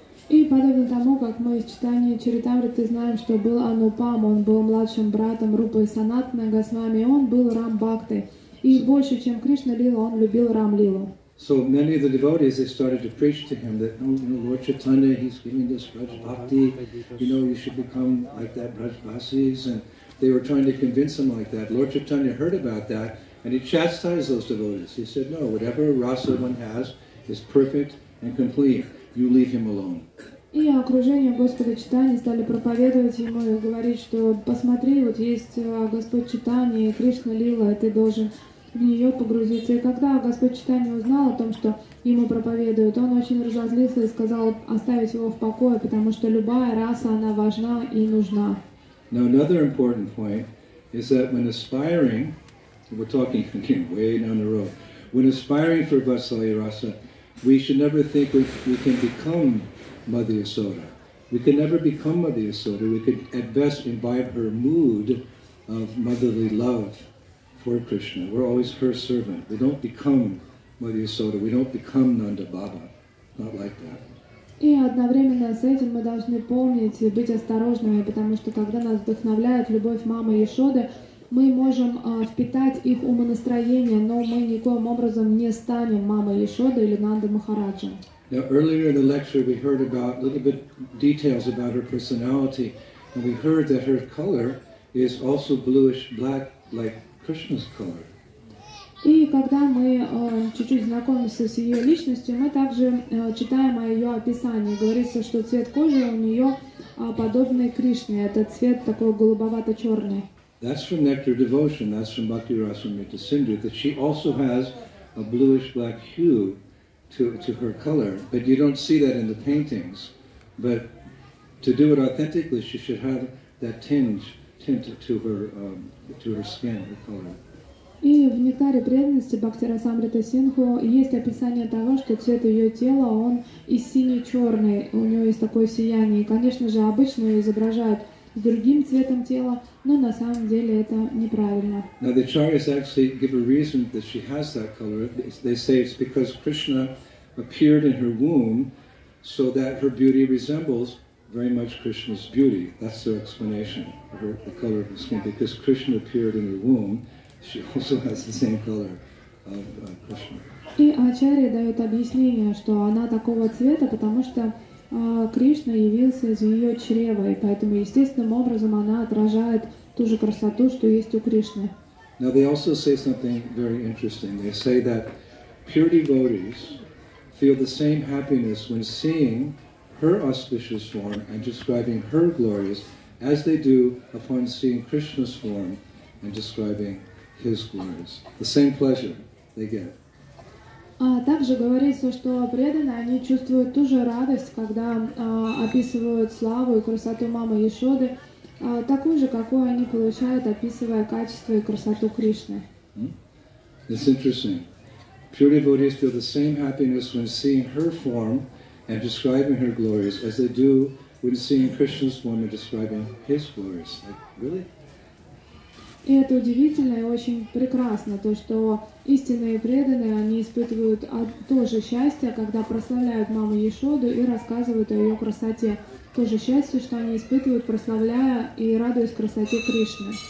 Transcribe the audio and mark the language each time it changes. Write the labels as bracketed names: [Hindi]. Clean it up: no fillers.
[Russian] И подобно тому, как мы из читания Чаритамриты знаем, что был Анупам, он был младшим братом Рупы Санатаны Госвами, он был Рамбхактой. И больше, чем Кришна Лила, он любил Рамлилу. [English] So many of the devotees, they started to preach to him that, oh, you know, Lord Chaitanya, he's giving this Braj Bhakti, you know, you should become like that Braj Vasis. And they were trying to convince him like that. Lord Chaitanya heard about that, and he chastised those devotees. He said, no, whatever rasa one has is perfect and complete. You leave him alone. [Russian] И окружение Господа Читани стали проповедовать ему и говорить, что посмотри, вот есть Господь Читани, Кришна Лила, и ты должен в нее погрузиться. И когда Господь Читани узнал о том, что ему проповедуют, он очень разозлился и сказал оставить его в покое, потому что любая раса, она важна и нужна. [English] Now another important point is that when aspiring, we're talking again way down the road, when aspiring for Vatsalya Rasa, we should never think we can become Mother Yasoda. We can never become Mother Yasoda. We could at best imbibe her mood of motherly love for Krishna. We're always her servant. We don't become Mother Yasoda. We don't become Nanda Baba. Not like that. [Russian] И одновременно с этим мы должны помнить и быть осторожными, потому что когда нас вдохновляет любовь мамы Яшоды, мы можем впитать их умонастроение, но мы никоим образом не станем мамой Яшоды или Нанды Махараджа. [English] Now, earlier in the lecture, we heard about a little bit details about her personality, and we heard that her color is also bluish black, like Krishna's color. [Russian] И когда мы чуть-чуть знакомимся с ее личностью, мы также читаем о ее описании. Говорится, что цвет кожи у нее подобный Кришне. Это цвет такой голубовато-черный. [English] That's from Nectar Devotion. That's from Bhakti Rasamrita Sindhu, that she also has a bluish black hue to her color, but you don't see that in the paintings. But to do it authentically, she should have that tint to her skin, her color. [Russian] И в Нектаре преданности Бхакти Расамрита Синху есть описание того, что цвет ее тела, он и синий-черный, у нее есть такое сияние. И, конечно же, обычно ее изображают с другим цветом тела, но на самом деле это неправильно. [English] Now the acharyas actually give a reason that she has that color. They say it's because Krishna appeared in her womb so that her beauty resembles very much Krishna's beauty. That's their explanation for her, the color of her skin. Because Krishna appeared in her womb, she also has the same color of Krishna. [Russian] И ачарья дает объяснение, что она такого цвета, потому что Кришна явился из ее чрева, и поэтому естественным образом она отражает ту же красоту, что есть у Кришны. [English] Now they also say something very interesting. They say that pure devotees feel the same happiness when seeing her auspicious form and describing her glories as they do upon seeing Krishna's form and describing his glories. The same pleasure they get. [Russian] Также говорится, что преданные, они чувствуют ту же радость, когда описывают славу и красоту мамы Яшоды, такую же, какую они получают, описывая качество и красоту Кришны. [English] It's interesting. Pure devotees feel the same happiness when seeing her form and describing her glories as they do when seeing Krishna's form and describing his glories. Like, really? [Russian] И это удивительно и очень прекрасно, то, что истинные преданные, они испытывают то же счастье, когда прославляют маму Яшоду и рассказывают о ее красоте. То же счастье, что они испытывают, прославляя и радуясь красоте Кришны.